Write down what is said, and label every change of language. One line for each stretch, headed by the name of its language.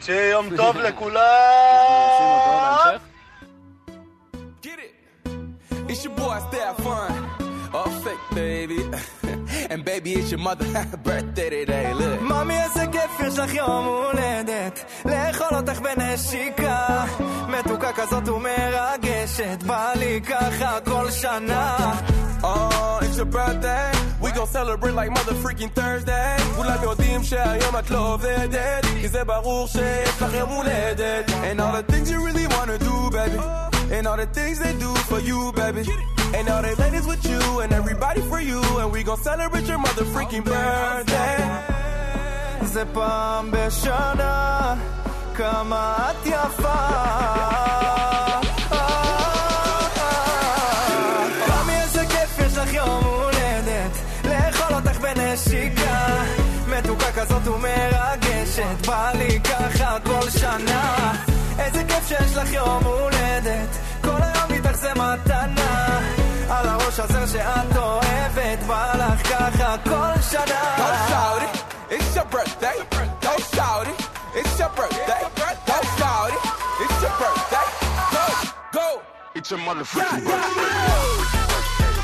Hebrew: שיהיה יום טוב לכולם! מאמי, איזה כיף, יש לך יום הולדת, לאכול אותך בנשיקה. מתוקה כזאת ומרגשת, בא לי ככה כל שנה.
English: Oh, it's your birthday. We gon' celebrate like mother freaking Thursday.
Hebrew: כולם יודעים שהיום את לא עובדת, כי זה ברור שיש לך יום הולדת.
English: And all the things you really wanna do, baby, and all the things they do for you, baby. And all the ladies with you and everybody for you. And we gon' celebrate your mother freaking birthday.
Hebrew: זה פעם בשנה, כמה את יפה. פעמי איזה כיף יש לך יום הולדת, לאכול אותך בנשיקה. מתוקה כזאת ומרגשת, בא לי ככה כל שנה. איזה כיף שיש לך יום הולדת, כל היום איתך זה מתנה. על הראש הזה שאת אוהבת, בא לך ככה כל שנה. כל שעורי
English: It's your birthday, go shawty. It's your birthday, go shawty. It's your birthday, go, go. It's your motherfucking birthday.